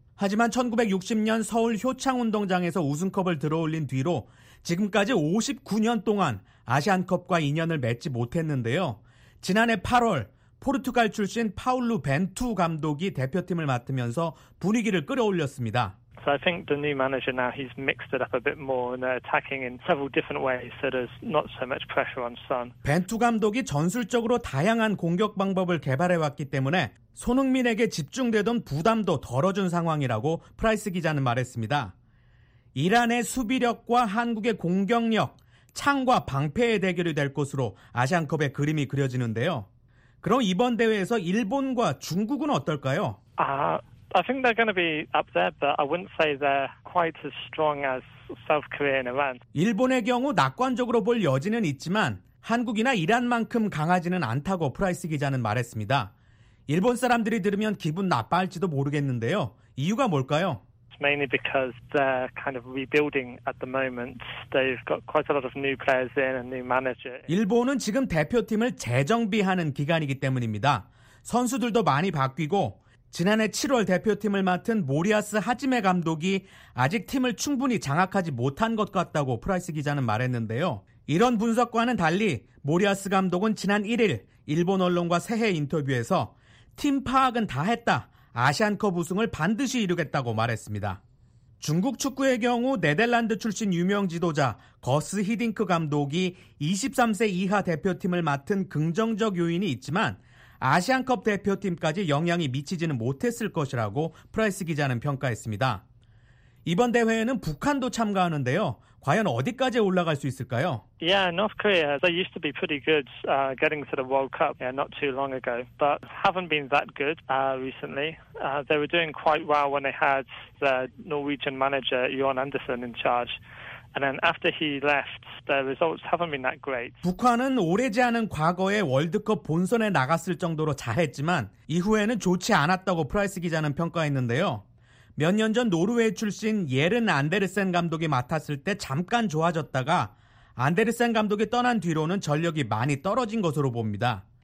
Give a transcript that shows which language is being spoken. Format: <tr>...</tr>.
<ko>하지만 1960년 서울 효창운동장에서 우승컵을 들어올린 뒤로 지금까지 59년 동안 아시안컵과 인연을 맺지 못했는데요. 지난해 8월 포르투갈 출신 파울루 벤투 감독이 대표팀을 맡으면서 분위기를 끌어올렸습니다.</ko> <en>So I think the new manager now he's mixed it up a bit more and attacking in several different ways so there's not so much pressure on Son.</en> <ko>벤투 감독이 전술적으로 다양한 공격 방법을 개발해 왔기 때문에 손흥민에게 집중되던 부담도 덜어준 상황이라고 프라이스 기자는 말했습니다. 이란의 수비력과 한국의 공격력, 창과 방패의 대결이 될 것으로 아시안컵의 그림이 그려지는데요. 그럼 이번 대회에서 일본과 중국은 어떨까요?</ko> <en>I think they're going to be up there, but I wouldn't say they're quite as strong as South Korea and Iran.</en> <ko>일본의 경우 낙관적으로 볼 여지는 있지만 한국이나 이란만큼 강하지는 않다고 프라이스 기자는 말했습니다. 일본 사람들이 들으면 기분 나빠할지도 모르겠는데요. 이유가 뭘까요?</ko> <en>Mainly because they're kind of rebuilding at the moment. They've got quite a lot of new players in and new manager.</en> <ko>일본은 지금 대표팀을 재정비하는 기간이기 때문입니다. 선수들도 많이 바뀌고 지난해 7월 대표팀을 맡은 모리아스 하지메 감독이 아직 팀을 충분히 장악하지 못한 것 같다고 프라이스 기자는 말했는데요. 이런 분석과는 달리 모리아스 감독은 지난 1일 일본 언론과 새해 인터뷰에서 팀 파악은 다 했다. 아시안컵 우승을 반드시 이루겠다고 말했습니다. 중국 축구의 경우 네덜란드 출신 유명 지도자 거스 히딩크 감독이 23세 이하 대표팀을 맡은 긍정적 요인이 있지만 아시안컵 대표팀까지 영향이 미치지는 못했을 것이라고 프라이스 기자는 평가했습니다. 이번 대회에는 북한도 참가하는데요. 과연 어디까지 올라갈 수 있을까요?</ko> <en>Yeah, North Korea. They used to be pretty good getting to the World Cup not too long ago, but haven't been that good recently. They were doing quite well when they had the Norwegian manager Johan Andersen in charge. And then after he left, the results haven't been that great.</en> <ko>북한은 오래지 않은 과거에 월드컵 본선에 나갔을 정도로 잘했지만 이후에는 좋지 않았다고 프라이스 기자는 평가했는데요. 몇 년 전 노르웨이 출신 예른 안데르센 감독이 맡았을 때 잠깐 좋아졌다가 안데르센 감독이 떠난 뒤로는 전력이 많이 떨어진 것으로 봅니다.</ko>